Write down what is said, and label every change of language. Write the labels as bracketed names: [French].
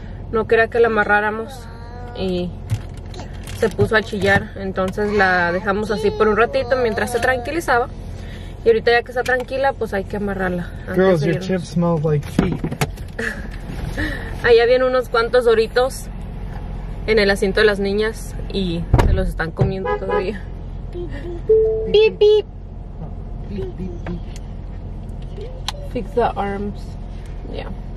[Spanish] No quería que la amarráramos y se puso a chillar, entonces la dejamos así por un ratito mientras se tranquilizaba. Y ahorita ya que está tranquila, pues hay que amarrarla. [English] Girls, your chips smell like feet. [Spanish] Allá vienen unos cuantos doritos en el asiento de las niñas y se los están comiendo todavía. [English] Beep, beep. Fix the arms. Yeah.